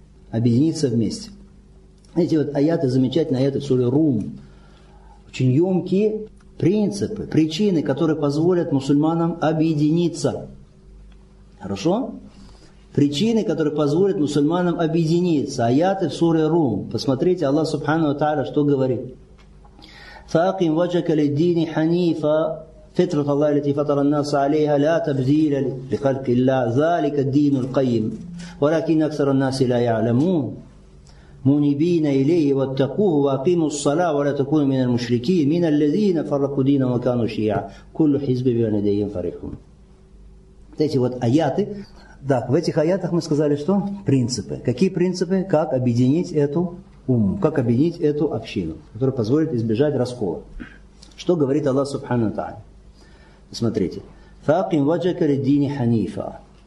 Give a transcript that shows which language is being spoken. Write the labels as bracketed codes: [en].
[ru] Объединиться вместе. Эти вот аяты, замечательные аяты в суре Рум, очень емкие. Принципы, причины, которые позволят мусульманам объединиться. Хорошо? Причины, которые позволят мусульманам объединиться. Аяты в суре Рум. Посмотрите, Аллах Субхану ва Тааля что говорит. [ar] فَأَقِمْ وَجْهَكَ لِلدِّينِ حَنِيفًا فِطْرَةَ اللَّهِ الَّتِي فَطَرَ النَّاسَ عَلَيْهَا لَا تَبْدِيلَ لِخَلْقِ اللَّهِ ذَلِكَ الدِّينُ الْقَيِّمُ وَلَكِنَّ أَكْثَرَ النَّاسِ لَا يَعْلَمُونَ منيبين إليه واتقوه وأقيموا الصلاة ولا تكونوا من المشركين من الذين فرقوا دينهم وكانوا شيعا كل حزب بما لديهم فرحون. [ru] Эти вот аяты. Да, в этих аятах мы сказали, что принципы. Какие принципы? Как объединить эту умму? Как объединить эту общину, которая позволит избежать раскола? Что говорит Аллах Субхана Тааля? Смотрите. [ar] فَأَقِمْ وَجْهَكَ لِلدِّينِ حَنِيفًا.